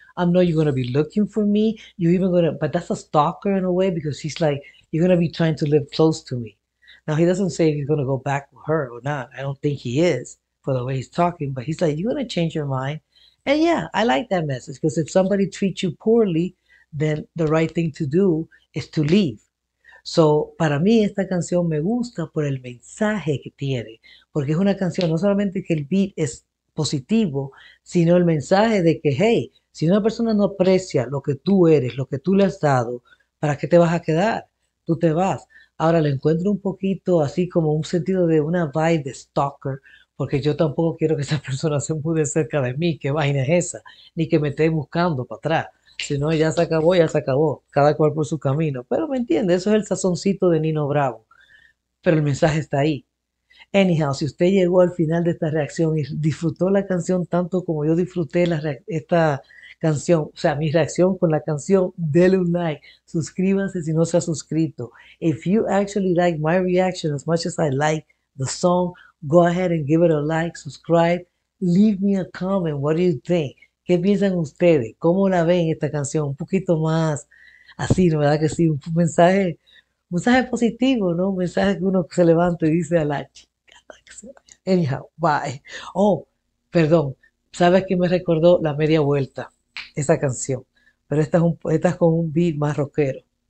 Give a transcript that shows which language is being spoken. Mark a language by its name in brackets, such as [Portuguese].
[English] I know you're gonna be looking for me. You're even gonna, but that's a stalker in a way because he's like, you're gonna be trying to live close to me. Now he doesn't say if he's gonna go back with her or not. I don't think he is for the way he's talking, but he's like, you're gonna change your mind. And yeah, I like that message because if somebody treats you poorly, then the right thing to do is to leave. [Spanish] So, para mí esta canción me gusta por el mensaje que tiene, porque es una canción, no solamente que el beat es positivo, sino el mensaje de que, hey, si una persona no aprecia lo que tú eres, lo que tú le has dado, ¿para qué te vas a quedar? Tú te vas. Ahora le encuentro un poquito así como un sentido de una vibe de stalker, porque yo tampoco quiero que esa persona se mude cerca de mí, qué vaina es esa, ni que me esté buscando para atrás. Si no, ya se acabó, ya se acabó. Cada cual por su camino. Pero me entiende, eso es el sazoncito de Nino Bravo. Pero el mensaje está ahí. Anyhow, si usted llegó al final de esta reacción y disfrutó la canción tanto como yo disfruté esta canción, o sea, mi reacción con la canción, dele un like, suscríbase si no se ha suscrito. [English] If you actually like my reaction as much as I like the song, go ahead and give it a like, subscribe, leave me a comment, what do you think? [Spanish] ¿Qué piensan ustedes? ¿Cómo la ven esta canción? Un poquito más así, ¿no? ¿Verdad que sí? Un mensaje positivo, ¿no? Un mensaje que uno se levanta y dice al H. [English] Anyhow, bye. [Spanish] Oh, perdón. ¿Sabes qué me recordó La Media Vuelta? Esa canción. Pero esta es con un beat más rockero.